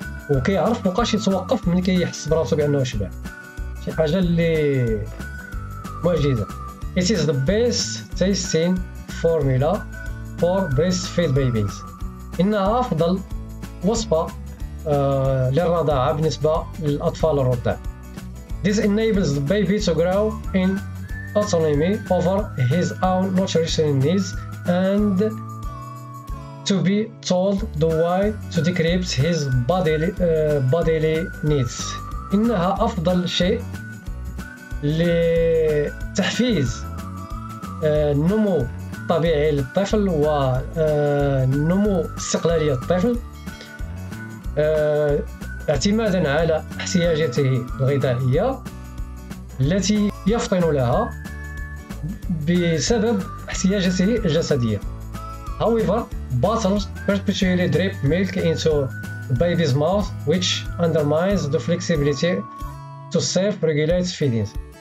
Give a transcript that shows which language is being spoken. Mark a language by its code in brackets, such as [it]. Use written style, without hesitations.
[ar] وكيعرف بوقاش يتوقف ملي كيحس براسو بانه شبع شي حاجه اللي معجزه. [en] This is the best tasting formula for breastfeed babies. [ar] إنها أفضل وصفة للرضاعة بالنسبة للأطفال الرضع. [en] This enables the baby to grow in autonomy over his own nutritional needs and to be told the way to decrypt his bodily needs. [ar] إنها أفضل شيء لتحفيز النمو الطبيعي للطفل ونمو استقلالية الطفل اعتمادا على احتياجاته الغذائية التي يفطن لها بسبب احتياجاته الجسدية. [en] However, bottles perpetually drip milk into the baby's mouth which undermines the flexibility to self-regulate feedings.